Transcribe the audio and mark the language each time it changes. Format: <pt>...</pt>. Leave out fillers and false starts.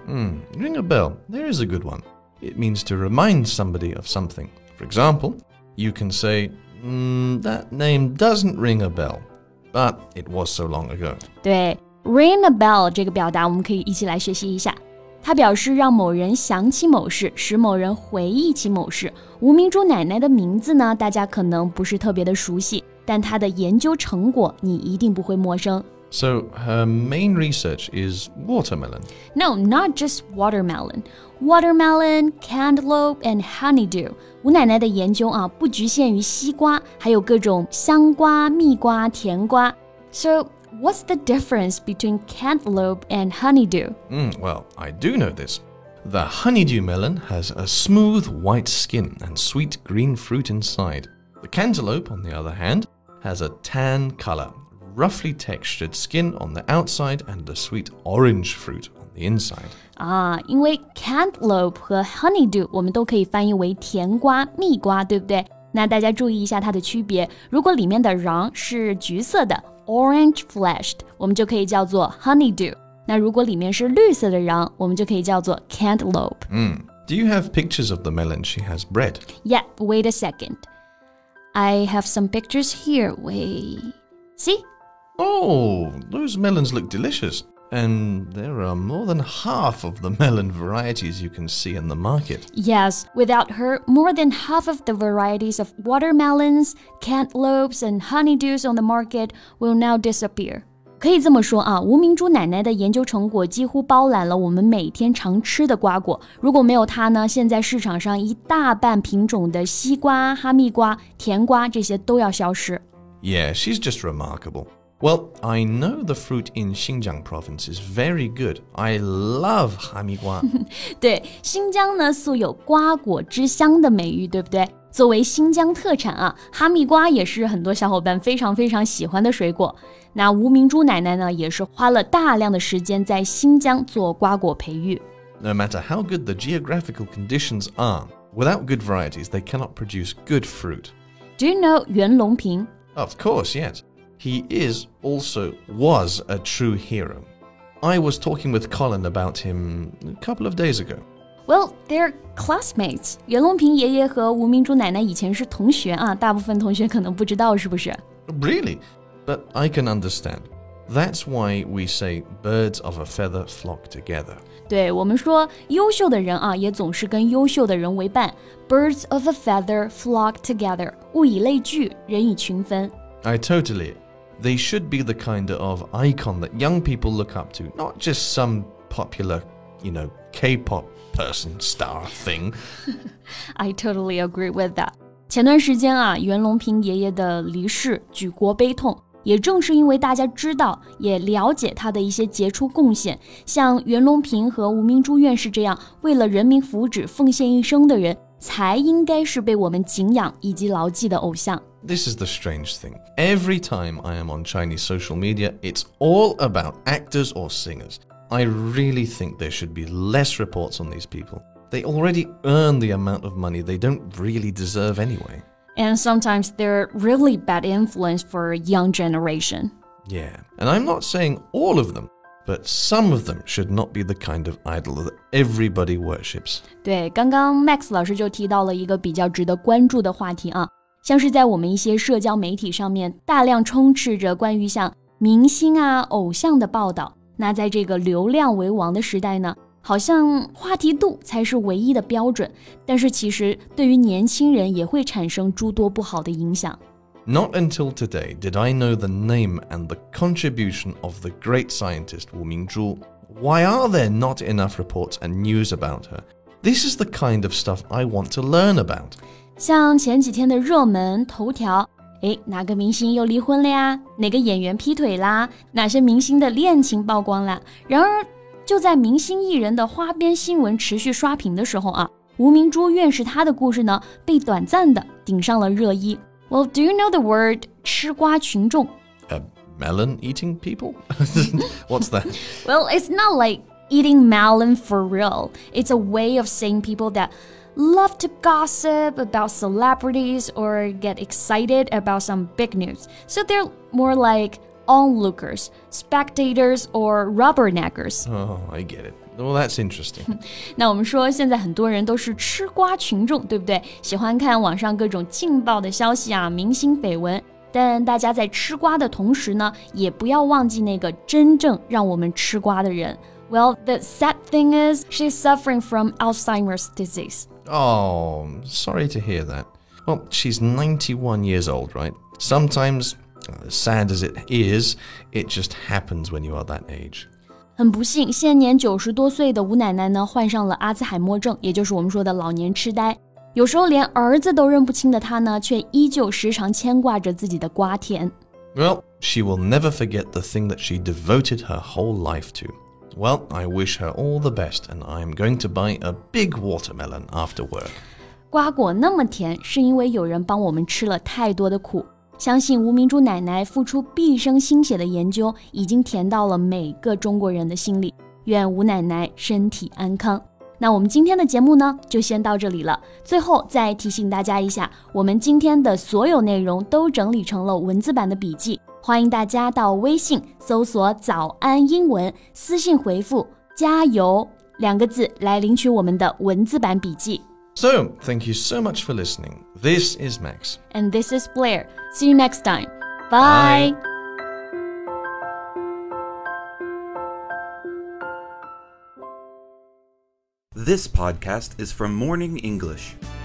<en>Ring a bell. There is a good one. It means to remind somebody of something. For example, you can say, that name doesn't ring a bell, but it was so long ago.</en> <zh>对 ,</zh> <en>ring a bell</en> <zh>这个表达我们可以一起来学习一下。它表示让某人想起某事，使某人回忆起某事。吴明珠奶奶的名字呢，大家可能不是特别的熟悉。但他的研究成果你一定不会陌生。</zh> <en>So, her main research is watermelon. No, not just watermelon. Watermelon, cantaloupe, and honeydew.</en> <zh>吴奶奶的研究啊，不局限于西瓜，还有各种香瓜、蜜瓜、甜瓜。</zh> <en>So, what's the difference between cantaloupe and honeydew? Well, I do know this. The honeydew melon has a smooth white skin and sweet green fruit inside. The cantaloupe, on the other hand, has a tan color, roughly textured skin on the outside and a sweet orange fruit on the inside.</en> <zh>啊，因为 cantaloupe 和 honeydew 我们都可以翻译为甜瓜、蜜瓜，对不对？那大家注意一下它的区别。如果里面的瓤是橘色的</zh> <en>orange fleshed,</en> <zh>我们就可以叫做 honeydew。那如果里面是绿色的瓤，我们就可以叫做 cantaloupe。</zh> <en>Do you have pictures of the melon she has bred? Yeah, wait a second. I have some pictures here, wait... See? Oh, those melons look delicious. And there are more than half of the melon varieties you can see in the market. Yes, without her, more than half of the varieties of watermelons, cantaloupes, and honeydews on the market will now disappear.</en> <zh>可以这么说啊，吴明珠奶奶的研究成果几乎包揽了我们每天常吃的瓜果。如果没有她呢，现在市场上一大半品种的西瓜、哈密瓜、甜瓜这些都要消失。</zh> <en>Yeah, she's just remarkable. Well, I know the fruit in Xinjiang province is very good. I love 哈密瓜。</en> <zh>对，新疆呢素有瓜果之乡的美誉，对不对？作为新疆特产啊，哈密瓜也是很多小伙伴非常非常喜欢的水果。那吴明珠奶奶呢，也是花了大量的时间在新疆做瓜果培育。</zh> <en>No matter how good the geographical conditions are, without good varieties, they cannot produce good fruit. Do you know 袁隆平? Of course, yes. He is also was a true hero. I was talking with Colin about him a couple of days ago. Well, they're classmates.</en> <zh>袁隆平爷爷和吴明珠奶奶以前是同学啊，大部分同学可能不知道是不是。</zh> <en>Really? But I can understand. That's why we say birds of a feather flock together.</en> <zh>对，我们说优秀的人啊，也总是跟优秀的人为伴。</zh> <en>Birds of a feather flock together.</en> <zh>物以类聚，人以群分。</zh> <en>I totally. They should be the kind of icon that young people look up to, not just some popular, you know, K-pop. Person, star, thing. I totally agree with that.</en> <zh>前段时间啊，袁隆平爷爷的离世举国悲痛，也正是因为大家知道也了解他的一些杰出贡献，像袁隆平和吴明珠院士这样为了人民福祉奉献一生的人，才应该是被我们敬仰以及牢记的偶像。</zh> <en>This is the strange thing. Every time I am on Chinese social media, it's all about actors or singers. I really think there should be less reports on these people. They already earn the amount of money they don't really deserve anyway. And sometimes they're really bad influence for a young generation. Yeah, and I'm not saying all of them, but some of them should not be the kind of idol that everybody worships.</en> <zh>对，刚刚 Max 老师就提到了一个比较值得关注的话题啊，像是在我们一些社交媒体上面大量充斥着关于像明星啊、偶像的报道。那在这个流量为王的时代呢，好像话题度才是唯一的标准，但是其实对于年轻人也会产生诸多不好的影响。</zh> <en>Not until today did I know the name and the contribution of the great scientist Wu Mingzhu. Why are there not enough reports and news about her? This is the kind of stuff I want to learn about.</en> <zh>像前几天的热门头条哎，哪个明星又离婚了呀？哪个演员劈腿啦？哪些明星的恋情曝光了？然而，就在明星艺人的花边新闻持续刷屏的时候啊，吴明珠院士她的故事呢，被短暂的顶上了热议。</zh> <en>Well, do you know the word</en> <zh>吃瓜群众？</zh> <en>Melon eating people? What's that? Well, it's not like eating melon for real. It's a way of saying people that... love to gossip about celebrities or get excited about some big news. So they're more like onlookers, spectators, or rubberneckers. Oh, I get it. Well, that's interesting.</en> <zh>那我们说现在很多人都是吃瓜群众，对不对？喜欢看网上各种劲爆的消息啊，明星绯闻。但大家在吃瓜的同时呢，也不要忘记那个真正让我们吃瓜的人。</zh> <en>Well, the sad thing is she's suffering from Alzheimer's disease. Oh, sorry to hear that. Well, she's 91 years old, right? Sometimes, sad as it is, it just happens when you are that age.</en> <zh>很不幸，现年90多岁的吴奶奶呢，患上了阿兹海默症，也就是我们说的老年痴呆。有时候连儿子都认不清的她呢，却依旧时常牵挂着自己的瓜田。 Well, she will never forget the thing that she devoted her whole life to. Well, I wish her all the best, and I'm going to buy a big watermelon after work. 瓜果那么甜，是因为有人帮我们吃了太多的苦。相信吴明珠奶奶付出毕生心血的研究，已经甜到了每个中国人的心里。愿吴奶奶身体安康。那我们今天的节目呢，就先到这里了。最后再提醒大家一下，我们今天的所有内容都整理成了文字版的笔记。欢迎大家到微信搜索早安英文，私信回复加油两个字来领取我们的文字版笔记。</zh> <en>So, thank you so much for listening. This is Max. And this is Blair. See you next time. Bye! Bye. This podcast is from Morning English.</en>